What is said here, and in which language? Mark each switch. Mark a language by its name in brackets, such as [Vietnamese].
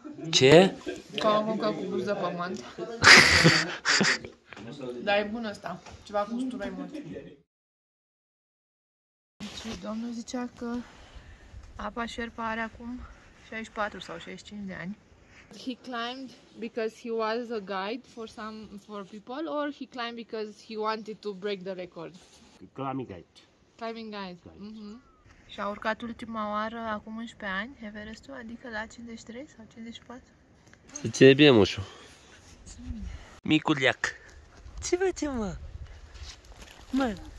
[Romanian] Ce? Ca o muncă cu bluză pământ. Dar e bun ăsta. Ceva cu usturoi mult. Și domnul zicea că apa șerpa are acum 64 sau 65 de ani. [English] He climbed because he was a guide for some for people, or he climbed because he wanted to break the record. Climbing guide. Mm-hmm. [Romanian] Și a urcat ultima oară acum 11 ani Everestul, adică la 53 sau 54. Se ține bine, moșu. Micul iac. Ce faci, mă? Mă.